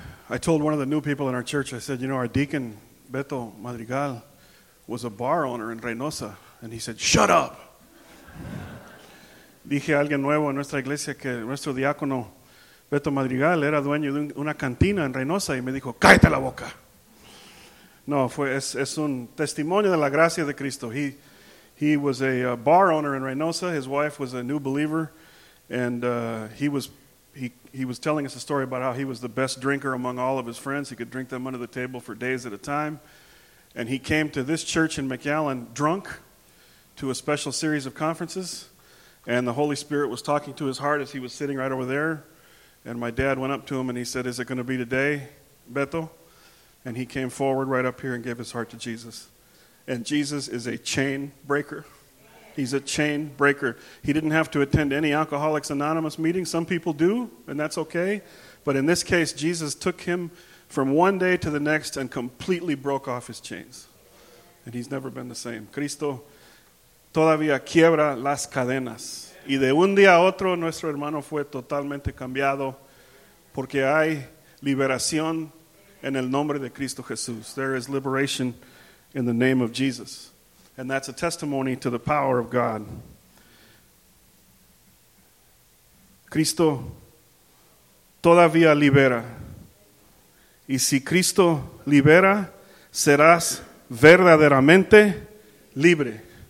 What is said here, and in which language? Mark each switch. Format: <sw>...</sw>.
<en>I told one of the new people in our church, I said, you know, our deacon, Beto Madrigal, was a bar owner in Reynosa. And he said, shut up.</en> <es>Dije a alguien nuevo en nuestra iglesia que nuestro diácono, Beto Madrigal, era dueño de una cantina en Reynosa. Y me dijo, cállate la boca. No, es un testimonio de la gracia de Cristo.</es> <en>He was a bar owner in Reynosa. His wife was a new believer. And he was telling us a story about how he was the best drinker among all of his friends. He could drink them under the table for days at a time. And he came to this church in McAllen drunk to a special series of conferences. And the Holy Spirit was talking to his heart as he was sitting right over there. And my dad went up to him and he said, is it going to be today, Beto? And he came forward right up here and gave his heart to Jesus. And Jesus is a chain breaker. He's a chain breaker. He didn't have to attend any Alcoholics Anonymous meeting. Some people do, and that's okay. But in this case, Jesus took him from one day to the next and completely broke off his chains. And he's never been the same.</en> <es>Cristo todavía quiebra las cadenas. Y de un día a otro, nuestro hermano fue totalmente cambiado porque hay liberación en el nombre de Cristo Jesús.</es> <en>There is liberation in the name of Jesus. And that's a testimony to the power of God.</en> <es>Cristo todavía libera. Y si Cristo libera, serás verdaderamente libre.</es>